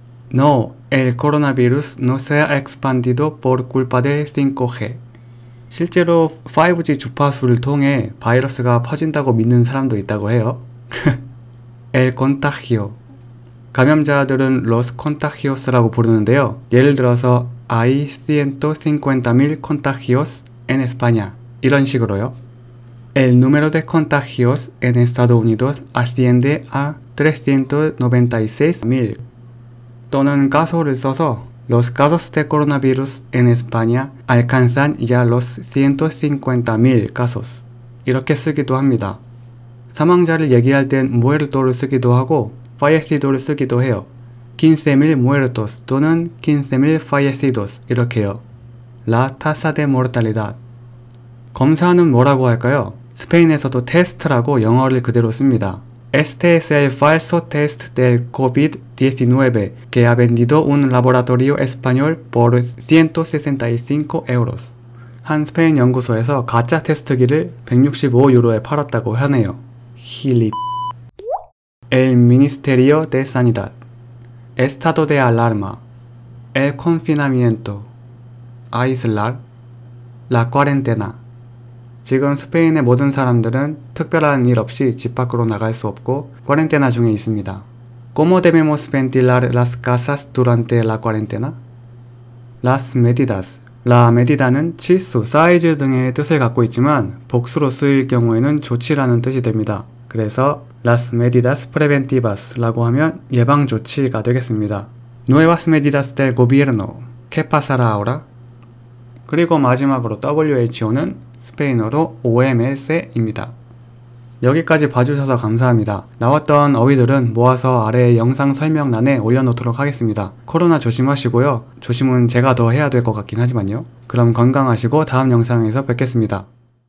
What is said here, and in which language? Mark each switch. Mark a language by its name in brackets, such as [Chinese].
[Spanish] No, el coronavirus no se ha expandido por culpa de 5G. [Korean] 실제로 5G 주파수를 통해 바이러스가 퍼진다고 믿는 사람도 있다고 해요. [Spanish] el contagio. [Korean] 감염자들은 los contagios라고 부르는데요. 예를 들어서 [Spanish] hay 150,000 contagios en España. [Korean] 이런 식으로요. [Spanish] El número de contagios en Estados Unidos asciende a 396,000. [Korean] 또는 [Spanish] caso를 써서 los casos de coronavirus en España alcanzan ya los 150,000 casos. [Korean] 이렇게 쓰기도 합니다. 사망자를 얘기할 땐 muerto를 쓰기도 하고 fallecido를 쓰기도 해요. 15,000 muertos 또는 15,000 fallecidos 이렇게요. [Spanish] La tasa de mortalidad. [Korean] 검사는 뭐라고 할까요? 스페인에서도 테스트라고 영어를 그대로 씁니다. [Spanish] Este es el falso test del COVID-19 que ha vendido un laboratorio español por 165 euros. [Korean] 한 스페인 연구소에서 가짜 테스트기를 165유로에 팔았다고 하네요. 힐립. [Spanish] El Ministerio de Sanidad. Estado de alarma. El confinamiento. Aislar. La cuarentena. [Korean] 지금 스페인의 모든 사람들은 특별한 일 없이 집 밖으로 나갈 수 없고 쿼렌테나 중에 있습니다. [Spanish] ¿Cómo debemos ventilar las casas durante la cuarentena? Las medidas. [Korean] La medida는 치수, 사이즈 등의 뜻을 갖고 있지만 복수로 쓰일 경우에는 조치라는 뜻이 됩니다. 그래서 las medidas preventivas 라고 하면 예방조치가 되겠습니다. [Spanish] Nuevas medidas del gobierno. ¿Qué pasará ahora? [Korean] 그리고 마지막으로 WHO는 스페인어로 OMS입니다. 여기까지 봐주셔서 감사합니다. 나왔던 어휘들은 모아서 아래 영상 설명란에 올려놓도록 하겠습니다. 코로나 조심하시고요. 조심은 제가 더 해야 될 것 같긴 하지만요. 그럼 건강하시고 다음 영상에서 뵙겠습니다.